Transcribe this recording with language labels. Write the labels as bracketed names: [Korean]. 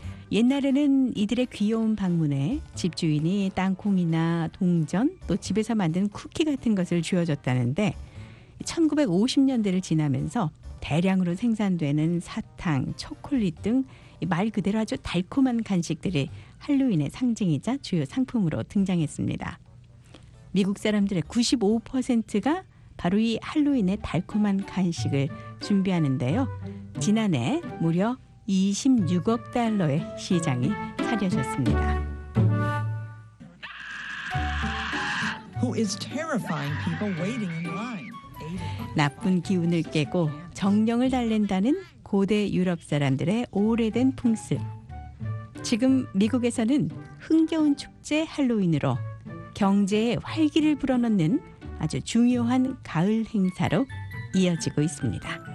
[Korean] 옛날에는 이들의 귀여운 방문에 집주인이 땅콩이나 동전 또 집에서 만든 쿠키 같은 것을 주어줬다는데 1950년대를 지나면서 대량으로 생산되는 사탕, 초콜릿 등 말 그대로 아주 달콤한 간식들이 할로윈의 상징이자 주요 상품으로 등장했습니다. 미국 사람들의 95%가 바로 이 할로윈의 달콤한 간식을 준비하는데요. 지난해 무려 26억 달러의 시장이 차려졌습니다. [English] Who is terrifying people waiting in line? [Korean] 나쁜 기운을 깨고 정령을 달랜다는 고대 유럽 사람들의 오래된 풍습. 지금 미국에서는 흥겨운 축제 할로윈으로 경제의 활기를 불어넣는 아주 중요한 가을 행사로 이어지고 있습니다.